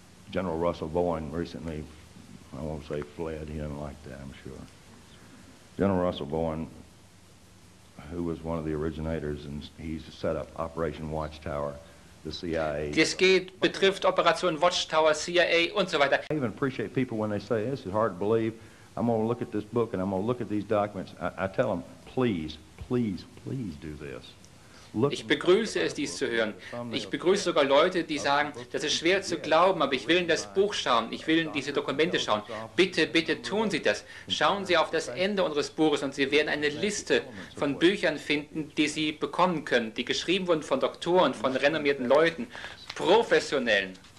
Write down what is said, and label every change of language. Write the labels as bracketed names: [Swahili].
[English] General Russell Boyne recently, I won't say fled, he didn't like that, I'm sure. General Russell Boyne, who was one of the originators, and he's set up Operation Watchtower, the CIA. [German] Dies betrifft Operation Watchtower, CIA, und so weiter. [English] I even appreciate people when they say, this is hard to believe, I'm going to look at this book and I'm going to look at these documents. I tell them, please, please, please do this. [German] Ich begrüße es, dies zu hören. Ich begrüße sogar Leute, die sagen, das ist schwer zu glauben, aber ich will in das Buch schauen, ich will in diese Dokumente schauen. Bitte, bitte tun Sie das. Schauen Sie auf das Ende unseres Buches und Sie werden eine Liste von Büchern finden, die Sie bekommen können, die geschrieben wurden von Doktoren, von renommierten Leuten, Professionellen.